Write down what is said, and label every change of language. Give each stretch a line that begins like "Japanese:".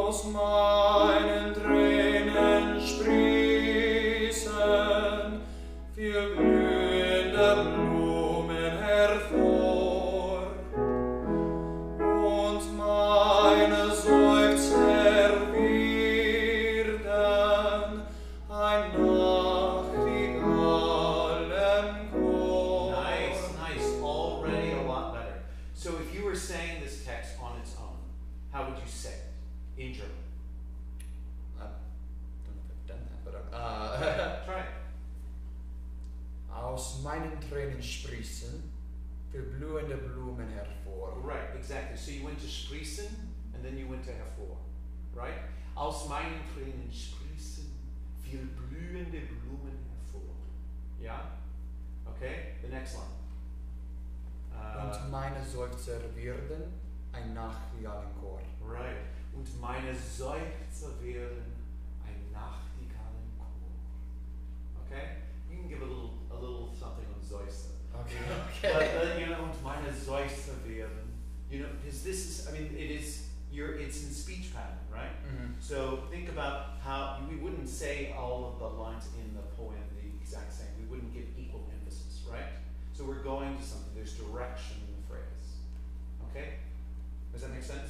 German: aus meinen Tränen sprießen, für blühende Blumen hervor. Und meine Seufzer werden ein Nachtigallen Chor.
English: Nice, nice. Already a lot better. So if you were saying this text on its own, how would you say it? In German. I don't know if I've done that, but try it.
German: Aus meinen Tränen sprießen, für blühende Blumen hervor.
English: Right, exactly. So you went to sprießen, and then you went to hervor, right?
German: Aus meinen Tränen sprießen, für blühende Blumen hervor.
English: Yeah? Okay, the next line.
German: Und meine Seufzer werden ein Nachtigallenchor.
English: Right.
German: Und meine Seufzer werden ein Nachtigallenchor.
English: Okay? You can give a little something on Seufzer. Okay. Okay. But you know,
German: und meine Seufzer werden.
English: You know, because this is, I mean, it is, it's in speech pattern, right? Mm-hmm. So think about how, we wouldn't say all of the lines in the poem the exact same. We wouldn't give equal emphasis, right? So we're going to something. There's direction in the phrase. Okay? Does that make sense?